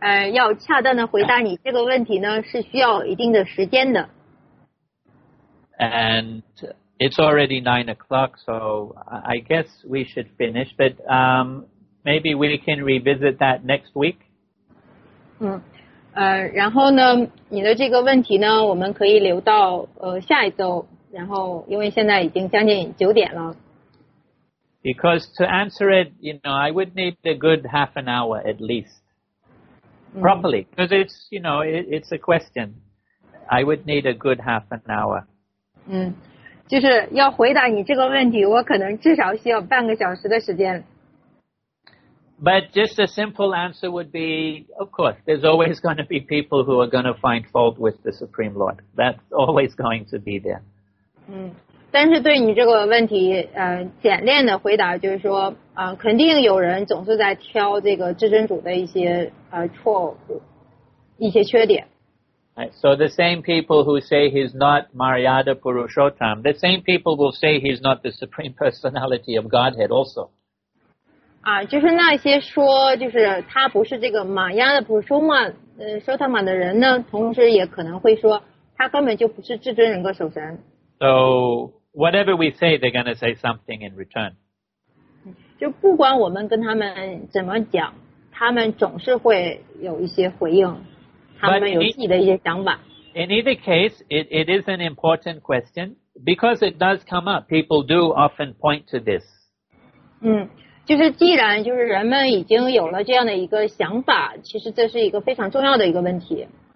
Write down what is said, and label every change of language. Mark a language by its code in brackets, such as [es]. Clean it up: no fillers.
[zh] 要恰当的回答你这个问题呢，是需要一定的时间的。 [en] And it's already 9 o'clock, so I guess we should finish. But maybe we can revisit that next week. [zh] 然后呢，你的这个问题呢，我们可以留到下一周。然后，因为现在已经将近九点了。 [en] Because to answer it, you know, I would need a good half an hour at least. Properly, because it's, you know, it's a question. I would need a good half an hour. [zh] 就是要回答你这个问题，我可能至少需要半个小时的时间。 [en] But just a simple answer would be, of course, there's always going to be people who are going to find fault with the Supreme Lord. That's always going to be there. [zh] 但是对你这个问题，简练的回答就是说，肯定有人总是在挑这个至尊主的一些错误，一些缺点。 [en] Right, so the same people who say he's not Maryada Purushottam, the same people will say he's not the Supreme Personality of Godhead also. [zh] 就是那些说就是他不是这个玛雅的普舒玛舍塔玛的人呢，同时也可能会说他根本就不是至尊人格守神。 [en] So whatever we say, they're going to say something in return. [zh] 就不管我们跟他们怎么讲，他们总是会有一些回应，他们有自己的一些想法。 [en] In either case, it is an important question because it does come up. People do often point to this. [zh] 就是既然就是人们已经有了这样的一个想法，其实这是一个非常重要的一个问题。